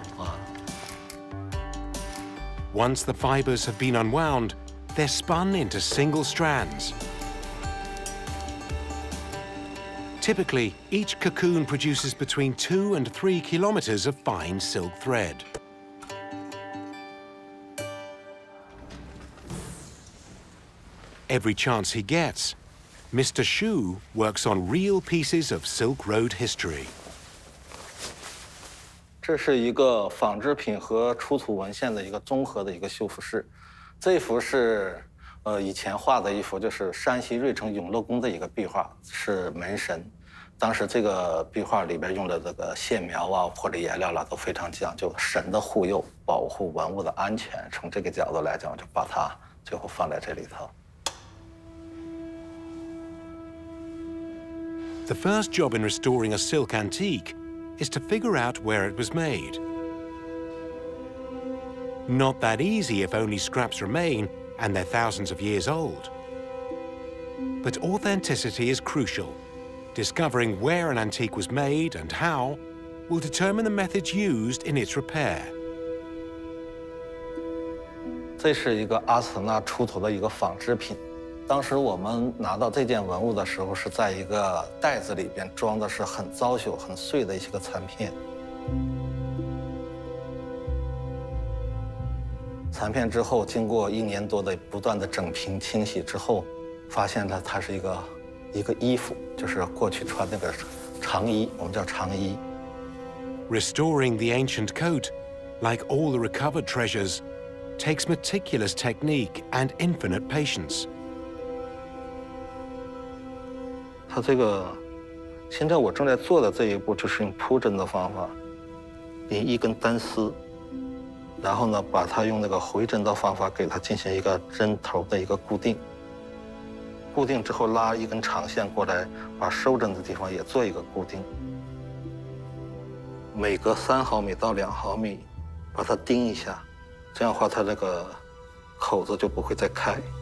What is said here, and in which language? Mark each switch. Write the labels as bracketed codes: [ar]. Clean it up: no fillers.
[zh] 经过电磁炉把水加热之后呢，我们里边放一点的那个茶砖，这样的话抽出的丝就是带一点点黄色，这样修补纹饰也好，修补丝绸也好，它就比较协调啊。 [en] Once the fibers have been unwound, they're spun into single strands. Typically, each cocoon produces between 2 and 3 kilometers of fine silk thread. Every chance he gets, Mr. Xu works on real pieces of Silk Road history. [zh] 这是一个纺织品和出土文献的一个综合的一个修复室。这幅是以前画的一幅就是山西芮城永乐宫的一个壁画，是门神。当时这个壁画里边用的这个线描啊、玻璃颜料啊都非常讲究，神的护佑，保护文物的安全。从这个角度来讲，就把它最后放在这里头。 [en] The first job in restoring a silk antique is to figure out where it was made. Not that easy if only scraps remain and they're thousands of years old. But authenticity is crucial. Discovering where an antique was made and how will determine the methods used in its repair. [zh] 这是一个阿斯纳出土的一个纺织品。当时我们拿到这件文物的时候，是在一个袋子里边装的是很糟朽、很碎的一些个残片。残片之后，经过一年多的不断的整平清洗之后，发现了它是一个衣服，就是过去穿那个长衣，我们叫长衣。 [en] Restoring the ancient coat, like all the recovered treasures, takes meticulous technique and infinite patience. [zh] 它这个现在我正在做的这一步，就是用铺针的方法，引一根单丝，然后呢把它用那个回针的方法给它进行一个针头的一个固定，固定之后拉一根长线过来，把收针的地方也做一个固定，每隔3毫米到2毫米把它钉一下，这样的话它这个口子就不会再开。